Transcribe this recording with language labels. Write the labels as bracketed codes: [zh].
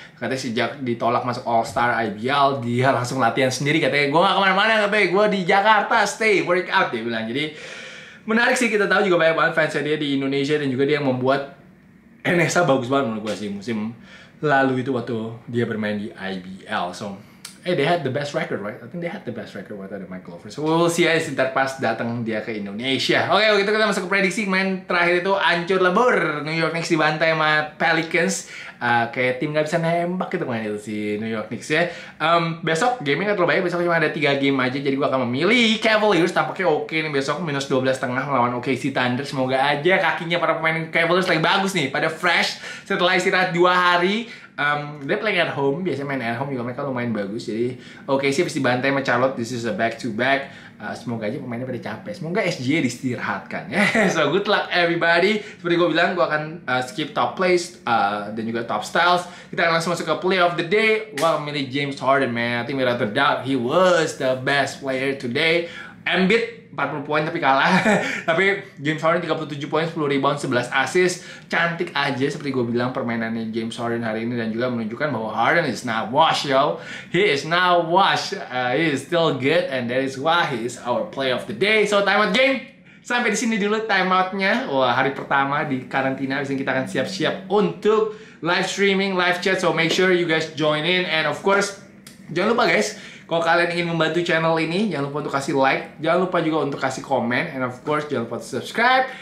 [id] Katanya sejak ditolak masuk All Star IBL, dia langsung latihan sendiri. Katanya gue nggak kemana-mana, katanya gue di Jakarta [en] stay workout, [id] dia bilang. Jadi menarik sih, kita tahu juga banyak banget fansnya dia di Indonesia dan juga dia yang membuat NSA bagus banget menurut gue sih musim lalu itu waktu dia bermain di IBL. [en] So, hey, they had the best record, right? I think they had the best record [id] waktu ada Michael Glover. [en] So, we'll see [id] aja ntar pas datang dia ke Indonesia. Oke, okay, begitu kita masuk ke prediksi. Main terakhir itu ancur lebur. New York Knicks dibantai sama Pelicans. Kayak tim gak bisa nembak gitu main itu si New York Knicks ya. Besok gamenya gak terlalu baik. Besok cuma ada 3 game aja. Jadi gue akan memilih Cavaliers. Tampaknya oke nih besok. -12.5 melawan OKC Thunder. Semoga aja kakinya para pemain Cavaliers lagi bagus nih. Pada fresh setelah istirahat 2 hari. [en] They play at home, [id] biasanya main [en] at home [id] juga mereka lumayan bagus. Jadi okay sih, abis dibantai sama Charlotte, [en] this is a back-to-back. [id] Semoga aja pemainnya pada capek, semoga SGA diistirahatkan ya. [en] So good luck everybody. [id] Seperti gue bilang, gue akan skip top plays dan juga top styles. Kita akan langsung masuk ke [en] play of the day. [id] Wah, milih James Harden, man. [en] I think without a doubt, he was the best player today. [id] Embiid 40 poin tapi kalah. Tapi James Harden 37 poin, 10 rebound, 11 assist. Cantik aja seperti gue bilang permainannya James Harden hari ini. Dan juga menunjukkan bahwa Harden [en] is not washed, yo. He is not washed. He is still good. And that is why he is our play of the day. [id] So timeout game. Sampai di sini dulu timeoutnya. Wah, hari pertama di karantina. Abis ini kita akan siap-siap untuk live streaming, live chat. [en] So make sure you guys join in. [id] And of course, jangan lupa guys, kalau kalian ingin membantu channel ini, jangan lupa untuk kasih like, jangan lupa juga untuk kasih komen, [en] and of course, [id] jangan lupa untuk subscribe.